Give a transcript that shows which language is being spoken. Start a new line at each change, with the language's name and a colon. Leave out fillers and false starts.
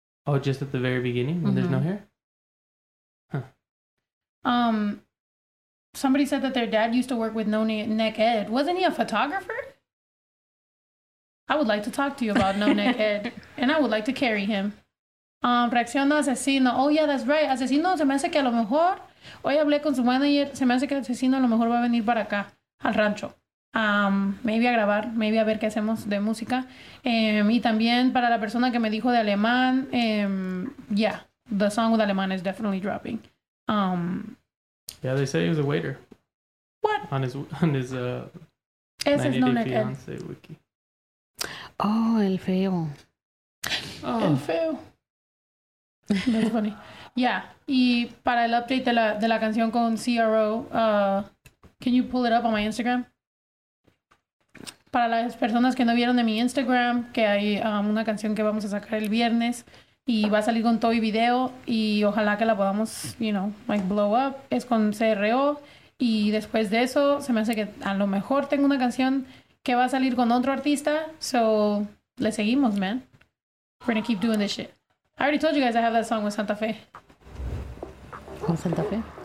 English: Oh, just at the very beginning when there's no hair? Huh. Somebody said that their dad used to work with No Neck Ed. Wasn't he a photographer? I would like to talk to you about No Neck Ed. And I would like to carry him.
Spanish: Reacción de asesino.
English: Oh, yeah, that's right.
Spanish: Asesino, se me hace que a lo mejor... Hoy hablé con su manager. Se me hace que el asesino a lo mejor va a venir para acá, al rancho. Maybe a grabar, maybe a ver qué hacemos de música. Y también para la persona que me dijo de alemán, yeah,
English: the song with alemán is definitely dropping. Yeah, they said he was a waiter. What? On his 90 Day Fiancé wiki.
Spanish: Oh, el feo.
English: Oh. El feo. That's funny. Yeah,
Spanish: y para el update de la canción con CRO,
English: can you pull it up on my Instagram?
Spanish: Para las personas que no vieron de mi Instagram, que hay una canción que vamos a sacar el viernes y va a salir con todo y video y ojalá que la podamos,
English: you know, like blow up.
Spanish: Es con CRO y después de eso se me hace que a lo mejor tengo una canción que va a salir con otro artista. So, le seguimos, man.
English: We're gonna keep doing this shit. I already told you guys I have that song with Santa Fe.
Spanish: ¿Con Santa Fe?